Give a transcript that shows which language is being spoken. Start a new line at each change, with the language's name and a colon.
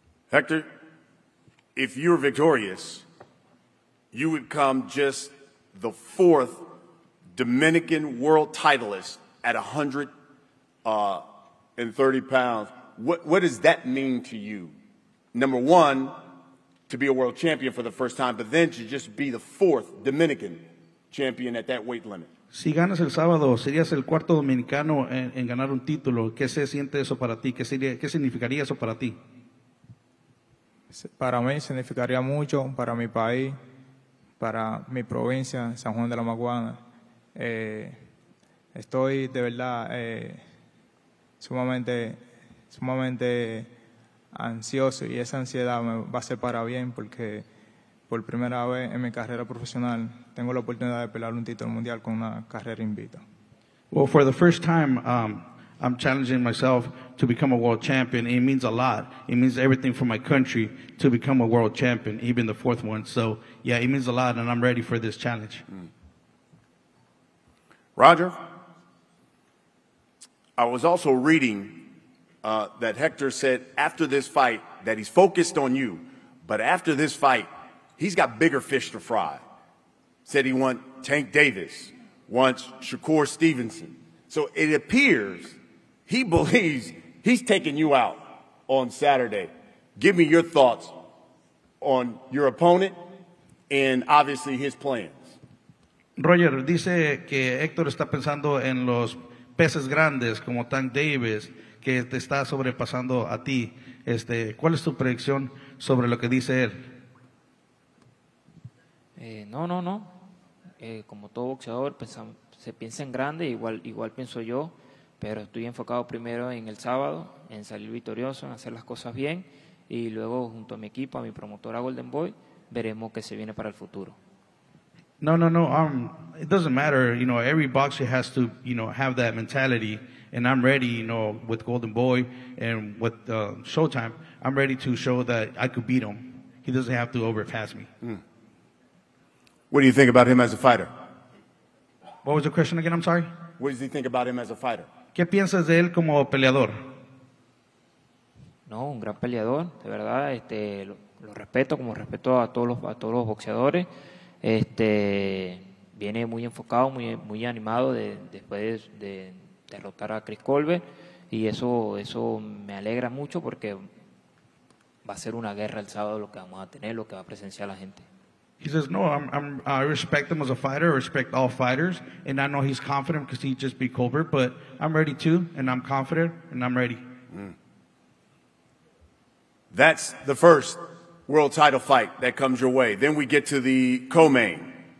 English: Hector, if you're victorious, you would become just the fourth Dominican world titleist at 130 pounds. What does that mean to you? Number one, to be a world champion for the first time, but then to just be the fourth Dominican champion at that weight limit.
Spanish: Si ganas el sábado, serías el cuarto dominicano en ganar un título. ¿Qué se siente eso para ti? ¿Qué significaría eso para ti? Para mí significaría mucho, para mi país, para mi provincia, San Juan de la Maguana. Estoy de verdad sumamente ansioso, y esa ansiedad me va a hacer para bien, porque por primera vez en mi carrera profesional tengo la oportunidad de pelear un título mundial con una carrera invicta.
English: Well, for the first time, I'm challenging myself to become a world champion. It means a lot. It means everything for my country to become a world champion, even the fourth one. So, yeah, it means a lot, and I'm ready for this challenge. Roger, I was also reading that Hector said after this fight that he's focused on you, but after this fight, he's got bigger fish to fry. Said he wants Tank Davis, wants Shakur Stevenson. So it appears he believes he's taking you out on Saturday. Give me your thoughts on your opponent and obviously his plans.
Spanish: Roger, dice que Héctor está pensando en los peces grandes como Tank Davis, que te está sobrepasando a ti. ¿Cuál es tu predicción sobre lo que dice él? No. Como todo boxeador, se piensa en grande, igual pienso yo, pero estoy enfocado primero en el sábado, en salir victorioso, en hacer las cosas bien, y luego junto a mi equipo, a mi promotora Golden Boy, veremos qué se viene para el futuro.
English: No. It doesn't matter. You know, every boxer has to, you know, have that mentality. And I'm ready, you know, with Golden Boy and with SHOWTIME, I'm ready to show that I could beat him. He doesn't have to overpass me. What do you think about him as a fighter? What was the question again? I'm sorry. What does he think about him as a fighter?
Spanish: ¿Qué piensas de él como peleador? No, un gran peleador, de verdad. Lo respeto, como respeto a todos los boxeadores. Viene muy enfocado, muy animado después de derrotar a Chris Colbert, y eso me alegra mucho, porque va a ser una guerra el sábado lo que vamos a tener, lo que va a presenciar la gente.
English: He says, no, I respect him as a fighter, I respect all fighters, and I know he's confident because he just beat Colbert, but I'm ready too, and I'm confident, and I'm ready. That's the first world title fight that comes your way. Then we get to the co-main.